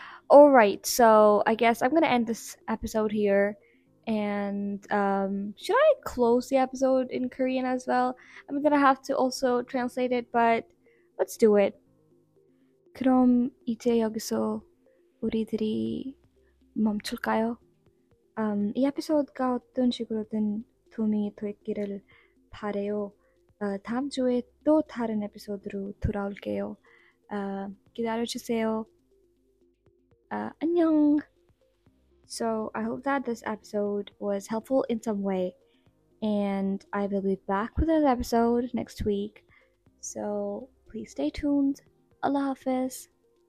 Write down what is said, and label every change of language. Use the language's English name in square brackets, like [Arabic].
[English] All right, so I guess I'm gonna end this episode here. And should I close the episode in Korean as well? I'm gonna have to also translate it, but let's do it. [Korean] 그럼 이제 여기서 우리들이 멈출까요? 이 에피소드가 어떤 식으로든 도움이 되었기를 바래요. 다음 주에 또 다른 에피소드로 돌아올게요. 기다려주세요. 안녕! [English] So I hope that this episode was helpful in some way, and I will be back with another episode next week. So please stay tuned. [Urdu] Allah Hafiz.